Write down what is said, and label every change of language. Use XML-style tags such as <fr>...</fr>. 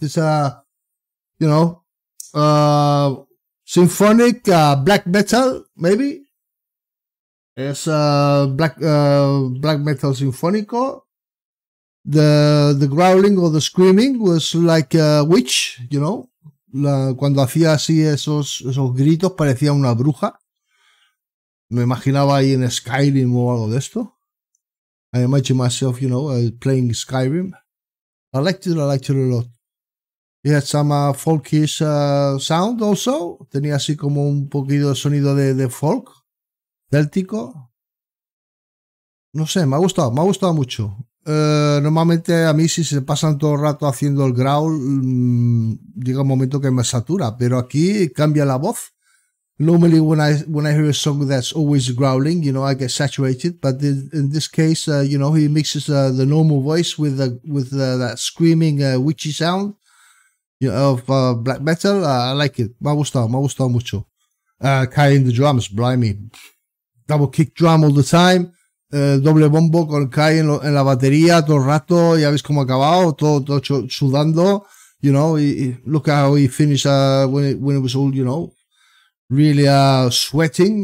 <en>This you know. Symphonic black metal, maybe. It's black metal sinfónico. The growling or the screaming was like a witch, you know.</en> <es>Cuando hacía así esos gritos parecía una bruja. Me imaginaba ahí en Skyrim o algo de esto.</es> <en>I imagine myself, you know, playing Skyrim. I liked it a lot. He had some folkish sound also.</en> <es>Tenía así como un poquito de sonido de folk, céltico. No sé, me ha gustado mucho. Normalmente a mí si se pasan todo el rato haciendo el growl, llega un momento que me satura, pero aquí cambia la voz.</es> <en>Normally when I hear a song that's always growling, you know, I get saturated, but in this case, you know, he mixes the normal voice with that screaming witchy sound. You know, of black metal, I like it.</en> <es>Me ha gustado mucho.</es> <en>Kai in the drums, blimey. Double kick drum all the time.</en> <es>Doble bombo con Kai en la batería todo el rato. Ya ves cómo ha acabado, todo sudando.</es> <en>You know, he, look how he finished when it was all, you know, really sweating.</en>